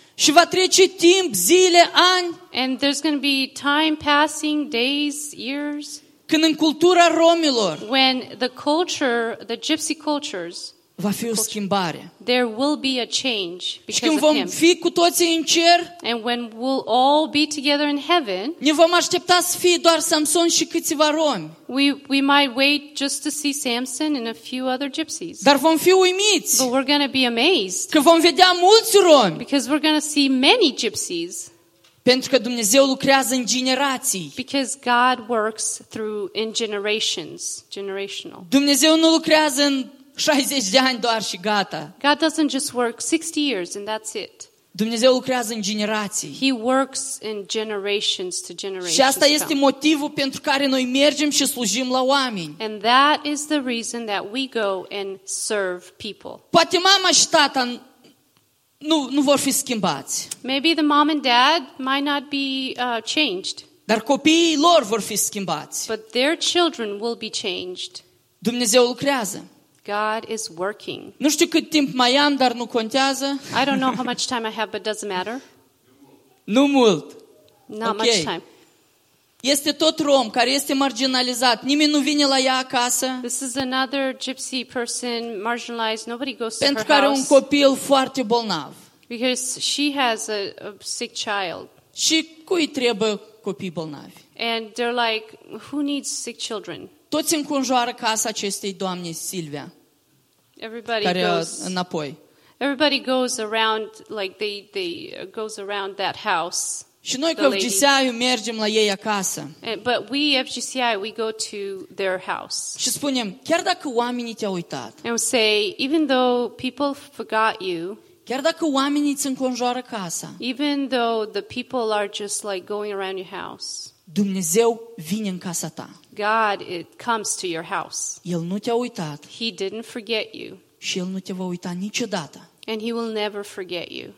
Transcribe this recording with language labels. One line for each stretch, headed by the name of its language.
Romanian: Și va trece timp, zile, ani.
English: And there's going to be time passing, days, years.
Romanian: Când în cultura romilor.
English: When the culture, the gypsy cultures.
Romanian: Va fi o schimbare.
English: There will be a change because of him.
Romanian: Și când vom fi cu toții în cer.
English: And when we'll all be together in heaven.
Romanian: Ne vom aștepta să fie doar Samson și câțiva romi.
English: We might wait just to see Samson and a few other gypsies.
Romanian: Dar vom fi uimiți.
English: But we're going to be amazed.
Romanian: Că vom vedea mulți romi.
English: Because we're going to see many gypsies.
Romanian: Pentru că Dumnezeu lucrează în generații.
English: Because God works through in generations, generational.
Romanian: Dumnezeu nu lucrează în 60 de ani doar și gata.
English: God doesn't just work 60 years and that's it.
Romanian: Dumnezeu lucrează în generații.
English: He works in generations to generations.
Romanian: Și asta este motivul pentru care noi mergem și slujim la oameni.
English: And that is the reason that we go and serve people.
Romanian: Poate mama și tata nu vor fi schimbați.
English: Maybe the mom and dad might not be changed.
Romanian: Dar copiii lor vor fi schimbați.
English: But their children will be changed.
Romanian: Dumnezeu lucrează.
English: God is working.
Romanian: Nu știu cât timp mai am, dar nu contează.
English: I don't know how much time I have, but it doesn't matter.
Romanian: Nu mult.
English: Not okay. Much time.
Romanian: Este tot rom care este marginalizat. Nimeni nu vine la ea acasă.
English: This is another gypsy person, marginalized. Nobody goes to her house.
Romanian: Pentru că are un copil foarte bolnav.
English: Because she has a sick child.
Romanian: Și cui trebuie copii bolnavi?
English: And they're like, who needs sick children?
Romanian: Toți înconjoară casa acestei doamne Silvia.
English: Everybody
Romanian: care
English: goes
Romanian: înapoi.
English: Everybody goes around like they goes around that house.
Romanian: Și noi cu FGCI mergem la ei acasă.
English: But we FGCI we go to their house.
Romanian: Și spunem, chiar dacă oamenii te-au uitat.
English: And we say even though people forgot you.
Romanian: Chiar dacă oamenii ți înconjoară casa.
English: Even though the people are just like going around your house.
Romanian: Dumnezeu vine în casa ta.
English: God it comes to your house.
Romanian: El nu te-a uitat.
English: He didn't forget you.
Romanian: Și el nu te va uita niciodată.
English: And he will never forget you.